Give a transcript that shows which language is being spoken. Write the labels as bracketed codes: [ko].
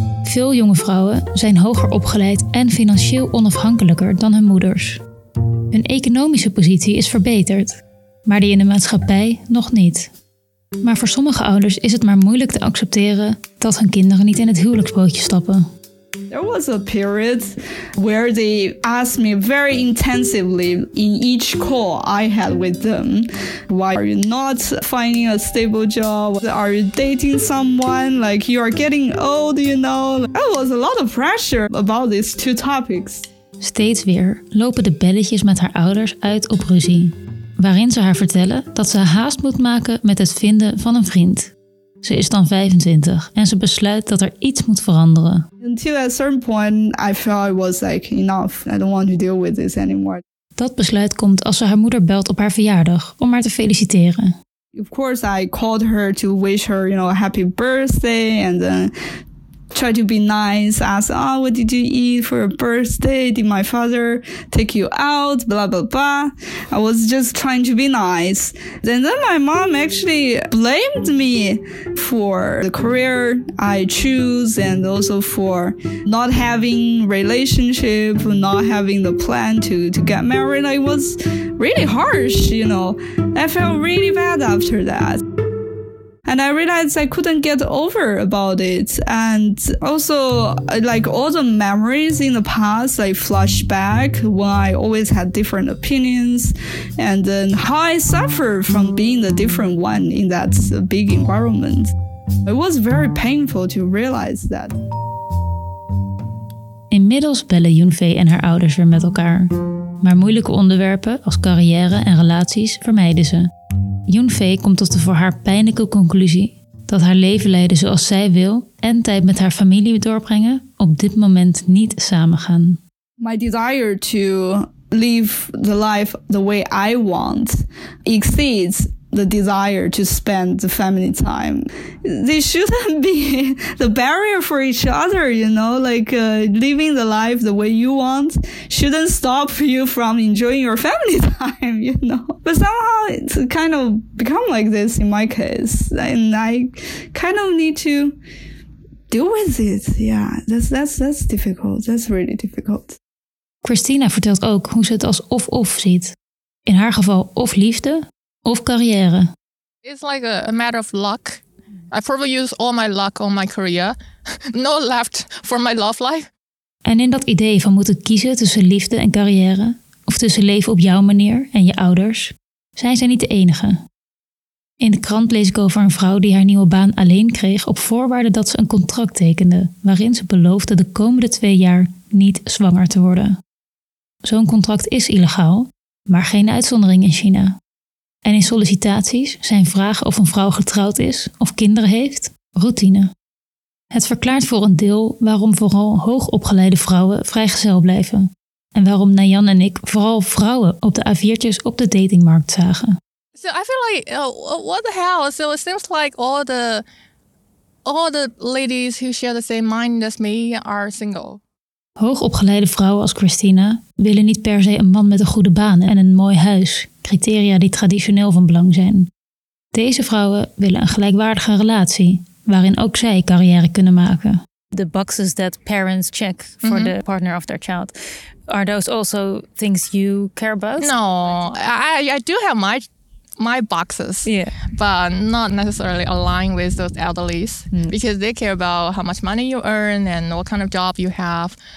[nl] Veel jonge vrouwen zijn hoger opgeleid en financieel onafhankelijker dan hun moeders. Hun economische positie is verbeterd, maar die in de maatschappij nog niet. Maar voor sommige ouders is het maar moeilijk te accepteren dat hun kinderen niet in het huwelijksbootje stappen. [en] There was a period where they asked me very intensively in each call I had with them, why are you not finding a stable job? Are you dating someone? Like, you are getting old, you know? There was a lot of pressure about these two topics. [nl] Steeds weer lopen de belletjes met haar ouders uit op ruzie, waarin ze haar vertellen dat ze haast moet maken met het vinden van een vriend. Ze is dan 25 en ze besluit dat er iets moet veranderen. [en] Until a certain point, I felt it was like enough. I don't want to deal with this anymore. [nl] Dat besluit komt als ze haar moeder belt op haar verjaardag om haar te feliciteren. [en] Of course, I called her to wish her, you know, a happy birthday and then try to be nice, ask, oh, what did you eat for your birthday? Did my father take you out? Blah, blah, blah. I was just trying to be nice. Then my mom actually blamed me for the career I choose and also for not having relationship, not having the plan to get married. It was really harsh, you know. I felt really bad after that. And I realized I couldn't get over about it. And also, like, all the memories in the past, I flash back when I always had different opinions. And then how I suffered from being the different one in that big environment. It was very painful to realize that. [nl] Inmiddels bellen Yunfei en haar ouders weer met elkaar. Maar moeilijke onderwerpen als carrière en relaties vermijden ze. Yunfei komt tot de voor haar pijnlijke conclusie dat haar leven leiden zoals zij wil en tijd met haar familie doorbrengen op dit moment niet samengaan. [en] My desire to live the life the way I want exceeds the desire to spend the family time. This shouldn't be the barrier for each other, you know? Like living the life the way you want shouldn't stop you from enjoying your family time, you know? But somehow it's kind of become like this in my case. And I kind of need to deal with it. Yeah, that's difficult. That's really difficult. [nl] Christina vertelt ook hoe ze het als of-of ziet. In haar geval of liefde of carrière. [en] It's like a matter of luck. I probably use all my luck on my career. No left for my love life. [nl] En in dat idee van moeten kiezen tussen liefde en carrière, of tussen leven op jouw manier en je ouders, zijn zij niet de enige. In de krant lees ik over een vrouw die haar nieuwe baan alleen kreeg op voorwaarde dat ze een contract tekende, waarin ze beloofde de komende 2 jaar niet zwanger te worden. Zo'n contract is illegaal, maar geen uitzondering in China. En in sollicitaties zijn vragen of een vrouw getrouwd is of kinderen heeft routine. Het verklaart voor een deel waarom vooral hoogopgeleide vrouwen vrijgezel blijven. En waarom Nayan en ik vooral vrouwen op de A4'tjes op de datingmarkt zagen. [en] So I feel like, what the hell? So it seems like all the ladies who share the same mind as me are single. [nl] Hoogopgeleide vrouwen als Christina willen niet per se een man met een goede baan en een mooi huis, criteria die traditioneel van belang zijn. Deze vrouwen willen een gelijkwaardige relatie, waarin ook zij carrière kunnen maken. [en] The boxes that parents check for mm-hmm. the partner of their child, are those also things you care about? No, I do have my boxes, yeah. But not necessarily aligned with those elderlies because they care about how much money you earn and what kind of job you have.